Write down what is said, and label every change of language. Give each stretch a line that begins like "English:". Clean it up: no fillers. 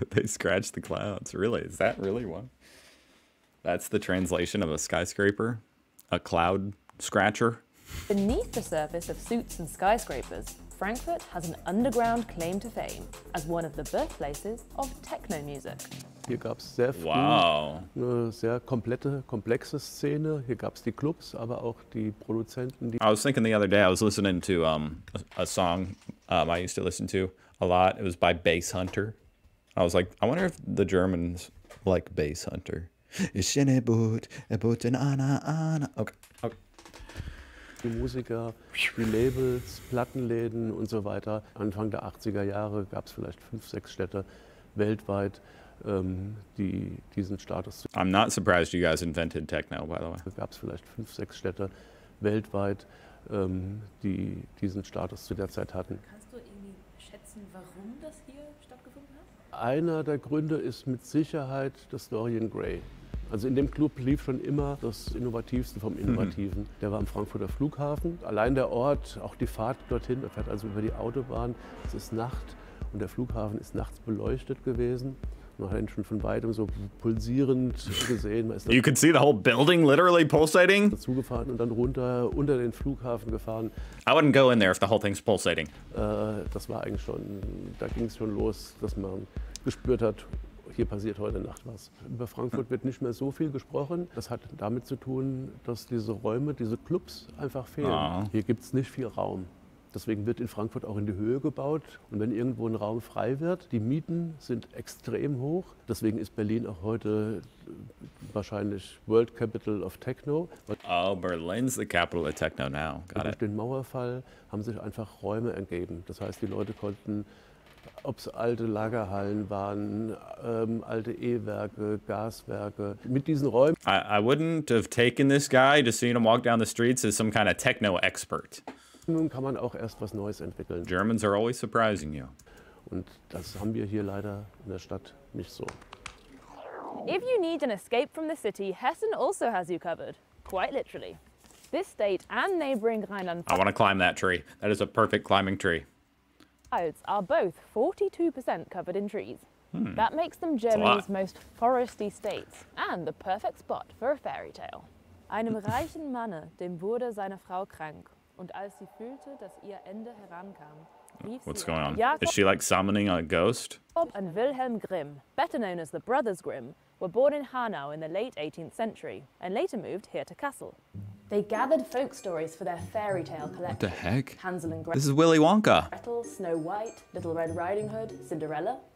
English: They scratch the clouds, really? Is that really one? That's the translation of a skyscraper? A cloud scratcher? Beneath the surface of suits and skyscrapers, Frankfurt has an underground claim to fame as one of the birthplaces of techno music.
German: Hier gab es sehr früh eine sehr komplette, komplexe Szene. Hier gab es die Clubs, aber auch die Produzenten. Die
English: I was thinking the other day, I was listening to a song I used to listen to a lot. It was by Bass Hunter. I was like, I wonder if the Germans like Bass Hunter. Schöne Boot, ein Boot in Anna, Anna. Okay, okay.
German: Die Musiker, die Labels, Plattenläden und so weiter. Anfang der 80er Jahre gab es vielleicht 5-6 Städte weltweit, die diesen Status.
English: I'm not surprised you guys invented techno, by the way.
German: Gab es vielleicht 5-6 Städte weltweit, die diesen Status zu der Zeit hatten. Kannst du irgendwie schätzen, warum das hier stattgefunden hat? Einer der Gründe ist mit Sicherheit das Dorian Gray. Also in dem Club lief schon immer das Innovativste vom Innovativen. Der war am Frankfurter Flughafen. Allein der Ort, auch die Fahrt dorthin, er fährt also über die Autobahn. Es ist Nacht und der Flughafen ist nachts beleuchtet gewesen. Man hat ihn schon von weitem so pulsierend gesehen. Man ist
English: you could see the whole building literally pulsating?
German: Zugefahren und dann runter unter den Flughafen gefahren.
English: I wouldn't go in there if the whole thing's pulsating.
German: Das war eigentlich schon, da ging es schon los, dass man gespürt hat, hier passiert heute Nacht was. Über Frankfurt wird nicht mehr so viel gesprochen. Das hat damit zu tun, dass diese Räume, diese Clubs einfach fehlen. Aww. Hier gibt es nicht viel Raum. Deswegen wird in Frankfurt auch in die Höhe gebaut. Und wenn irgendwo ein Raum frei wird, die Mieten sind extrem hoch. Deswegen ist Berlin auch heute wahrscheinlich
English: World Capital of Techno. Oh, Berlin's the capital of techno now. Got it.
German: Durch den Mauerfall haben sich einfach Räume ergeben. Das heißt, die Leute konnten, ob es alte Lagerhallen waren, alte E-Werke, Gaswerke, mit diesen Räumen.
English: I wouldn't have taken this guy to see him walk down the streets as some kind of techno expert.
German: Nun kann man auch erst was Neues entwickeln.
English: Germans are always surprising you.
German: Und das haben wir hier leider in der Stadt nicht so.
English: If you need an escape from the city, Hessen also has you covered, quite literally. This state and neighboring Rheinland-Pfalz. I want to climb that tree. That is a perfect climbing tree. Are both 42% covered in trees. That makes them Germany's most foresty states and the perfect spot for a fairy tale.
German: Einem reichen Manne, dem wurde seine Frau krank, und als sie fühlte, dass ihr Ende herankam, rief
English: What's
German: sie
English: going on? Jakob, is she like summoning a ghost? Jakob and Wilhelm Grimm, better known as the Brothers Grimm, were born in Hanau in the late 18th century and later moved here to Kassel. They gathered folk stories for their fairy tale collection. What the heck? Hansel and Gretel. This is Willy Wonka. Gretel, Snow White, Little Red Riding Hood, Cinderella.